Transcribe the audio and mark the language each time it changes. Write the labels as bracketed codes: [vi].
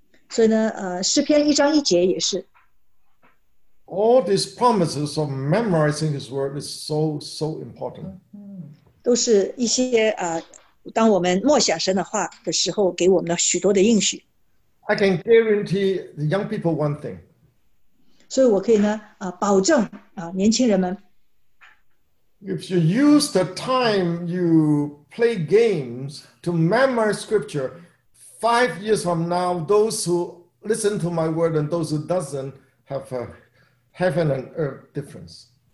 [zh] 所以呢, 诗篇一章一节也是, [en] all these promises of memorizing His word is so, so important. [zh] 都是一些, 当我们默想神的话的时候, 给我们了许多的应许。 [en] I can guarantee the young people one thing. [zh] 所以我可以呢, 保证, 年轻人们, [en] if you use the time you play games to memorize scripture, 5 years from now, those who listen to my word and those who doesn't have a heaven and earth difference.